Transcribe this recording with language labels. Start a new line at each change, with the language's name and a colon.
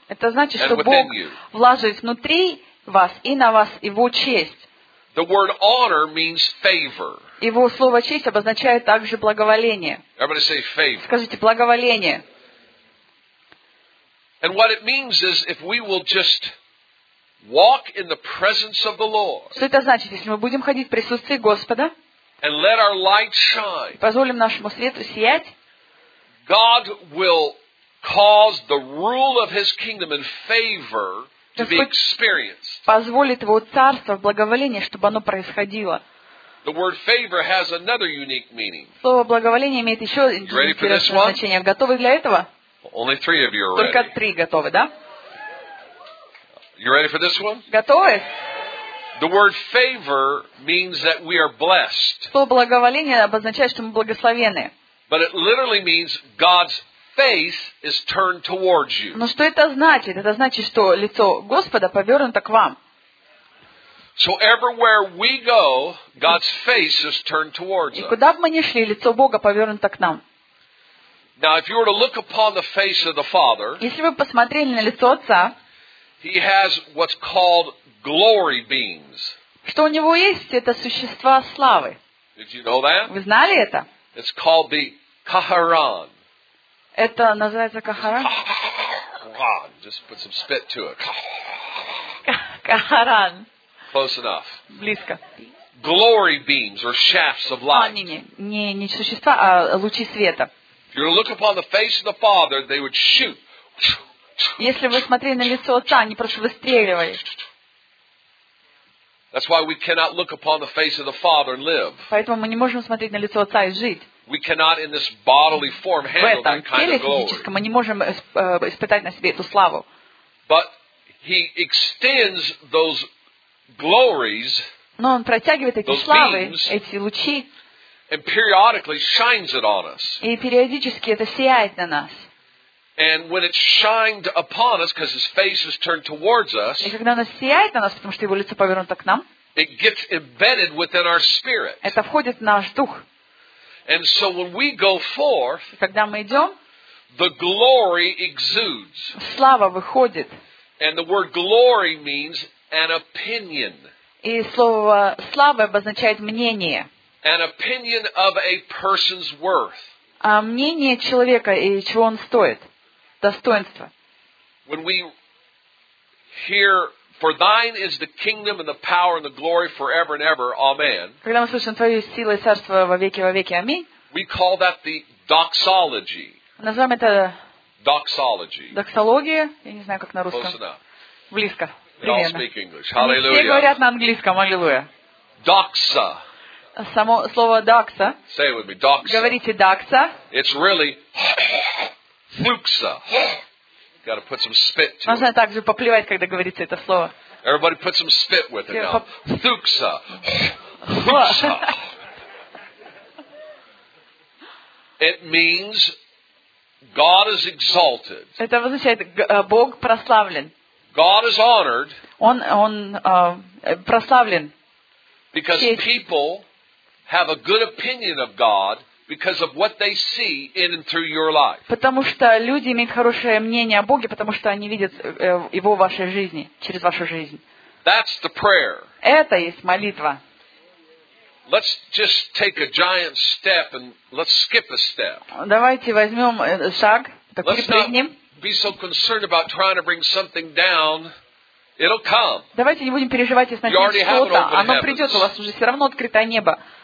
Russian: Это значит, что Бог вложит внутри вас и на вас Его честь.
English: The word honor means favor.
Russian: Его слово честь обозначает также благоволение.
English: Everybody say favor.
Russian: Скажите благоволение.
English: And what it means is if we will just walk in the presence of the Lord.
Russian: Что это значит, если мы будем ходить в присутствии Господа?
English: And let our light shine.
Russian: Позволим нашему свету сиять.
English: God will cause the rule of His kingdom in favor to be experienced.
Russian: Позволит его царство в благоволении, чтобы оно происходило.
English: The word favor has another unique meaning.
Russian: Слово благоволение имеет еще интересное значение. Готовы для этого?
English: Only three of you are
Russian: Только
English: ready.
Russian: Только три готовы, да?
English: You ready for this one?
Russian: Готовы?
English: The word favor means that we are blessed.
Russian: Слово благоволение обозначает, что мы благословены.
English: But it literally means God's face is turned towards you.
Russian: Но что это значит? Это значит, что лицо Господа повернуто к вам.
English: So everywhere we go, God's face is turned towards us.
Russian: И куда бы мы ни шли, лицо Бога повернуто к нам.
English: Now, if you were to look upon the face of the Father,
Russian: если бы посмотрели на лицо Отца,
English: He has what's called glory beams.
Russian: Что у него есть, это существа славы.
English: Did you know that?
Russian: Вы знали это?
English: It's called the Kaharan.
Russian: Это называется Kaharan?
English: Kaharan. Just put some spit to it. Kaharan. Close enough.
Russian: Близко.
English: Glory beams or shafts of light.
Russian: Не существа, а лучи света.
English: If you were to look upon the face of the Father, they would shoot.
Russian: Если вы смотрели на лицо Отца, они просто выстреливали.
English: That's why we cannot look upon the face of the Father and live.
Russian: Поэтому мы не можем смотреть на лицо Отца и жить.
English: We cannot in this bodily form handle that kind of glory.
Russian: В этом теле физическом мы не можем испытать на себе эту славу.
English: But He extends those glories.
Russian: Но Он протягивает эти славы, эти лучи.
English: And periodically shines it on us.
Russian: И периодически это сияет на нас.
English: And when it shined upon us, because His face is turned towards us,
Russian: и когда оно сияет на нас, потому что Его лицо повернуто к нам,
English: it gets embedded within our spirit.
Russian: Это входит в наш дух.
English: And so when we go forth,
Russian: и когда мы идем,
English: the glory exudes.
Russian: Слава выходит.
English: And the word glory means an opinion.
Russian: И слово слава обозначает мнение.
English: An opinion of a person's worth.
Russian: А мнение человека и чего он стоит. Достоинство.
English: When we hear, for thine is the kingdom and the power and the glory forever and ever, amen.
Russian: Когда мы слышим твою силу и царство во веки, аминь.
English: We call that the doxology.
Russian: Назовем это
English: doxology.
Russian: Доксология. Я не знаю, как на русском.
English: Close enough.
Russian: Близко.
English: They all speak English. Hallelujah.
Russian: Все говорят на английском. Аллилуйя. Doxa. Само слово doxa.
English: Say it with me. Doxa.
Russian: Говорите doxa.
English: It's really... Fluxa. Got to put some spit to it.
Russian: Можно также поплевать, когда говорится это слово.
English: Everybody put some spit with it now. Fluxa. It means God is exalted.
Russian: Это означает, Бог прославлен.
English: God is honored.
Russian: Он прославлен.
English: Because people have a good opinion of God because of what they see in and through your life.
Russian: Потому что люди имеют хорошее мнение о Боге, потому что они видят его в вашей жизни, через вашу жизнь.
English: That's the prayer.
Russian: Это есть молитва.
English: Let's just take a giant step and let's skip a step.
Russian: Давайте возьмём шаг, так перепрыгнем.
English: Be so concerned about trying to bring something down. It'll come.
Russian: Давайте не будем переживать, если начнёт что-то, оно придёт, у вас уже всё равно открытое небо.